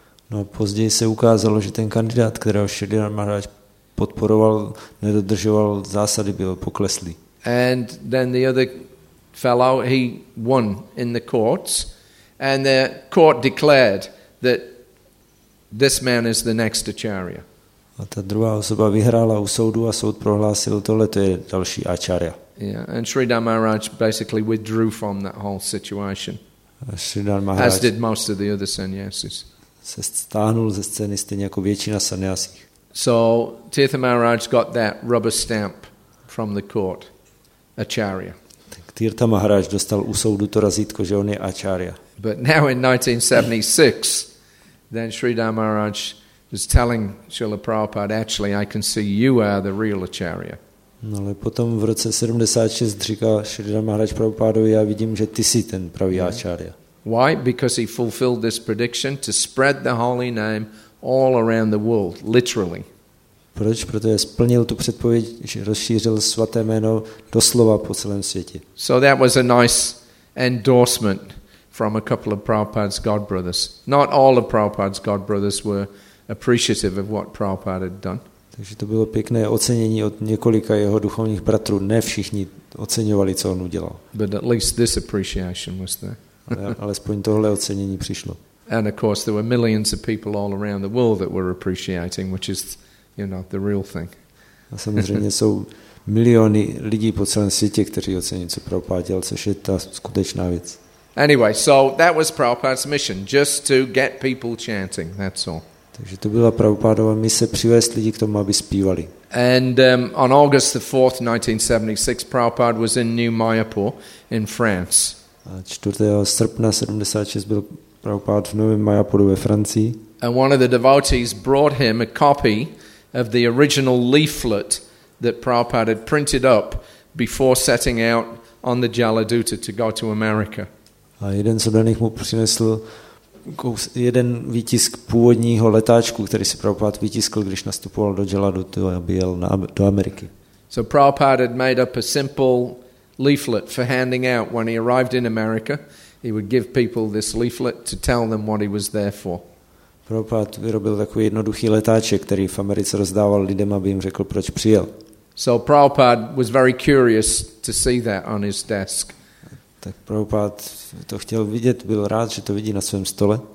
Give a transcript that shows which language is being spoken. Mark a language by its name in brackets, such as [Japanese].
[Czech] No a později se ukázalo, že ten kandidát, kterého Sridhar Maharaj podporoval, nedodržoval zásady, byl pokleslý. [English] And then the other fellow, he won in the courts, and the court declared that this man is the next Acharya. [Czech] A ta druhá osoba vyhrála u soudu a soud prohlásil, tohle to je další Acharya. [English] Yeah, and Sridhar Maharaj basically withdrew from that whole situation. [Czech] Sridhar Maharaj, [English] as did most of the other sannyasis. [Czech] Se stáhnul ze scény stejně jako většina sannyasích. [English] So Tirtha Maharaj got that rubber stamp from the court. Acharya. [Czech] Tak Tirtha Maharaj dostal u soudu to razítko, že on je Acharya. [English] But now in 1976, then Sridhar Maharaj was telling Srila Prabhupada, actually I can see you are the real Acharya. [Czech] No ale potom v roce 76 říkal Sridhar Maharaj Prabhupádovi, já vidím, že ty jsi ten pravý Acharya. [English] Why? Because he fulfilled this prediction to spread the holy name all around the world, literally. [Czech] Proč? Protože splnil tu předpověď, že rozšířil svaté jméno doslova po celém světě. [English] So that was a nice endorsement from a couple of Prabhupada's godbrothers. Not all of Prabhupada's godbrothers were appreciative of what Prabhupada had done. [Czech] Takže to bylo pěkné ocenění od několika jeho duchovních bratrů. Ne všichni oceňovali, co on udělal. [English] But at least this appreciation was there. [Czech] Alespoň tohle ocenění přišlo. [English] And of course there were millions of people all around the world that were appreciating, which is, you know, the real thing. [Czech] A samozřejmě jsou miliony lidí po celém světě, kteří ocení, co Prabhupáda dělal, což je ta skutečná věc. [English] Anyway, so that was Prabhupada's mission, just to get people chanting, that's all. [Czech] Takže to byla Prabhupádova mise přivést lidi k tomu, aby zpívali. [English] And on August the 4th, 1976, Prabhupada was in New Mayapur in France. [Czech] A 4. srpna 76 byl Prabhupada v Novém Mayapuru ve Francii. [English] And one of the devotees brought him a copy of the original leaflet that Prabhupada had printed up before setting out on the Jaladuta to go to America. [Czech] A jeden z obraných mu přinesl jeden výtisk původního letáčku, který si Prabhupada vytiskl, když nastupoval do Jaladuta, aby jel do Ameriky. [English] So Prabhupada had made up a simple leaflet for handing out when he arrived in America. He would give people this leaflet to tell them what he was there for. [Czech] Prabhupada vyrobil takový jednoduchý letáček, který v Americe rozdával lidem, aby jim řekl, proč přijel. [English] So Prabhupada was very curious to see that on his desk. [Czech] Tak Prabhupada to chtěl vidět, byl rád, že to vidí na svém stole.